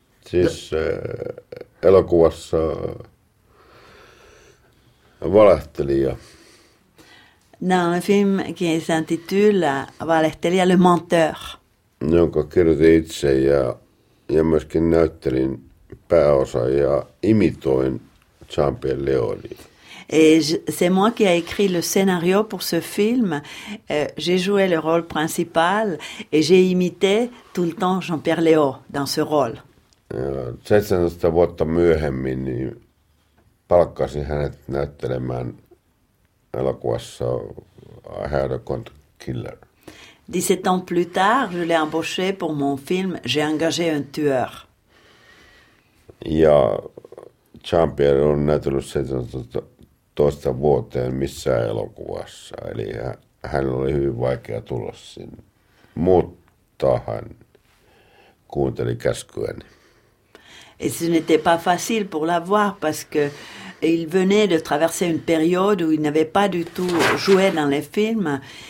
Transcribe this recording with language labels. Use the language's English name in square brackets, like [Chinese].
[French] Dans un film qui s'intitule Valehtelija, le menteur. [Finnish] Jonka kirjoitin itse ja myöskin näyttelin pääosa ja imitoin Jean-Pierre Léoni. [French] Et c'est moi qui ai écrit le scénario pour ce film. J'ai joué le rôle principal et j'ai imité tout le temps Jean-Pierre Léo dans ce rôle. [Finnish] 17 vuotta myöhemmin niin palkkasin hänet näyttelemään elokuvassa I Had a Contact Killer. [French] 17 ans plus tard, je l'ai embauché pour mon film J'ai engagé un tueur. [Finnish] Ja Jean-Pierre on näytellyt 17 vuoteen missään elokuvassa, eli hän oli hyvin vaikea tulla sinne. Mutta hän kuunteli käskyäni. [French] Et ce n'était pas facile pour l'avoir parce que et il venait de traverser une période où il n'avait pas du tout joué dans les films.